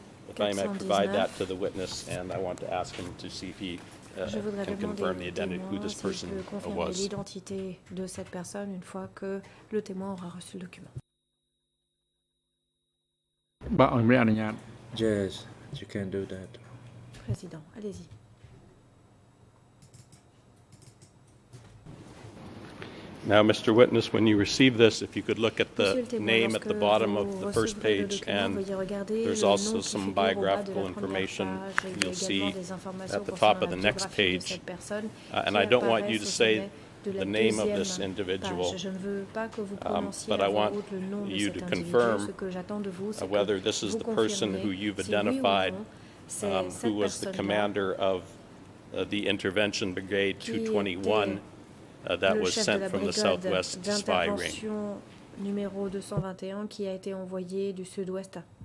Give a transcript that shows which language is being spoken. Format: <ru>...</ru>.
<en>If I may provide that to the witness, and I want to ask him to see if he can confirm the identity, who this person</en> <fr>si confirmer</fr> <en>was.</en> <fr>L'identité de cette personne une fois que le témoin aura reçu le document.</fr> <en>Yes, you can do that.</en> <fr>President, allez-y.</fr> <en>Now, Mr. Witness, when you receive this, if you could look at the name at the bottom of the first page, and there's also some biographical information you'll see at the top of the next page. And I don't want you to say the name of this individual, but I want you to confirm whether this is the person who you've identified who was the commander of the intervention brigade 221 that was sent from the southwest to spy ring.</en> <fr>Numéro 221 qui a été envoyé du sud-ouest</fr>